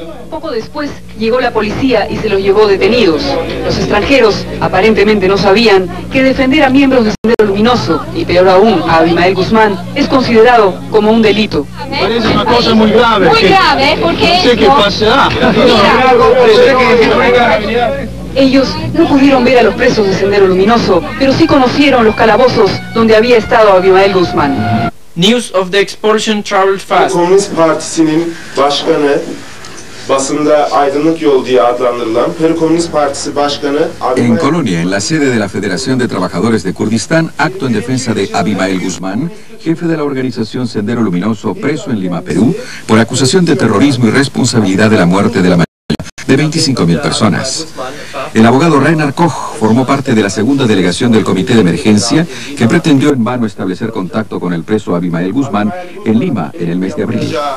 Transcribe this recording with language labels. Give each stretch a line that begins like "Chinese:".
Spanish: Poco después llegó la policía y se los llevó detenidos. Los extranjeros aparentemente no sabían que defender a miembros de Sendero Luminoso, y peor aún a Abimael Guzmán, es considerado como un delito. Parece una cosa muy grave. Muy grave, porque no sé qué pasará. Ellos no pudieron ver a los presos de Sendero Luminoso, pero sí conocieron los calabozos donde había estado Abimael Guzmán.
English: News of the expulsion traveled fast.
Turkish: Komünist Partisi'nin başkanı, basında Aydınlık Yol diye adlandırılan Peru Komünist Partisi başkanı Abimael.
Spanish: En Colonia, en la sede de la Federación de Trabajadores de Kurdistán, acto en defensa de Abimael Guzmán, jefe de la organización Sendero Luminoso, preso en Lima, Perú, por acusación de terrorismo y responsabilidad de la muerte de la de 25.000 personas. El abogado Reinhard Koch formó parte de la segunda delegación del Comité de Emergencia que pretendió en vano establecer contacto con el preso Abimael Guzmán en Lima en el mes de abril.